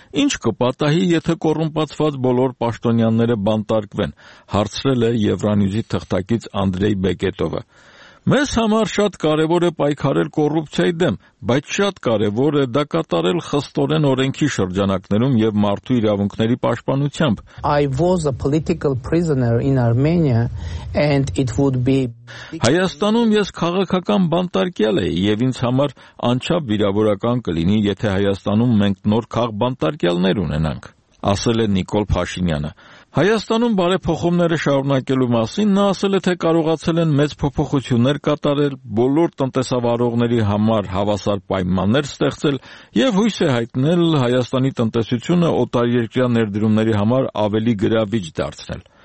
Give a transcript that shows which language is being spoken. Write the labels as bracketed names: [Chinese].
[Armenian] Ինչ կպատահի, եթե կոռումպացված բոլոր պաշտոնյաները բանտարկվեն, հարցրել է Եվրանյուզի թղթակից Անդրեյ Բեկետովը։ Մեզ համար շատ կարևոր է պայքարել կոռուպցիայի դեմ, բայց շատ կարևոր է դա կատարել խստորեն օրենքի շրջանակներում եւ մարդու իրավունքների պաշտպանությամբ։ [English] I was a political prisoner in Armenia and it would be [Armenian] Հայաստանում ես քաղաքական բանտարկյալ եի եւ ինձ համար անչափ վիրավորական կլինի, եթե Հայաստանում մենք նոր քաղ բանտարկյալներ ունենանք, ասել է Նիկոլ Փաշինյանը։ Հայաստանում բարեփոխումները շարունակելու մասին նա ասել է, թե կարողացել են մեծ փոփոխություններ կատարել, բոլոր տնտեսավարողների համար հավասար պայմաններ ստեղծել եւ հույս է հայտնել Հայաստանի տնտեսությունը օտարերկրյա ներդրումների համար ավելի գրավիչ դարձնել։